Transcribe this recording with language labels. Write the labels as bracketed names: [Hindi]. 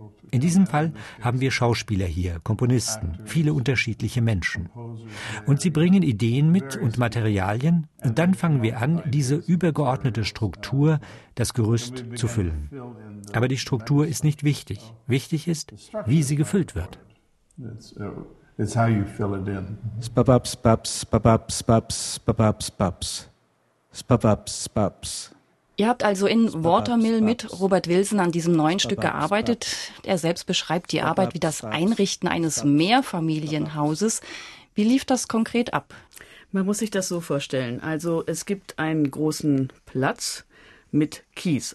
[German] In diesem Fall haben wir Schauspieler hier, Komponisten, viele unterschiedliche Menschen. Und sie bringen Ideen mit und Materialien und dann fangen wir an, diese übergeordnete Struktur, das Gerüst, zu füllen. Aber die Struktur ist nicht wichtig. Wichtig ist, wie sie gefüllt wird. [English] It's how you fill it in. Spababs, babs, babs, babs, babs, babs. Spababs, babs. [German] Ihr habt also in Watermill mit Robert Wilson an diesem neuen Stück gearbeitet. Er selbst beschreibt die Arbeit wie das Einrichten eines Mehrfamilienhauses. Wie lief das konkret ab? Man muss sich das so vorstellen. Also es gibt einen großen Platz mit Kies.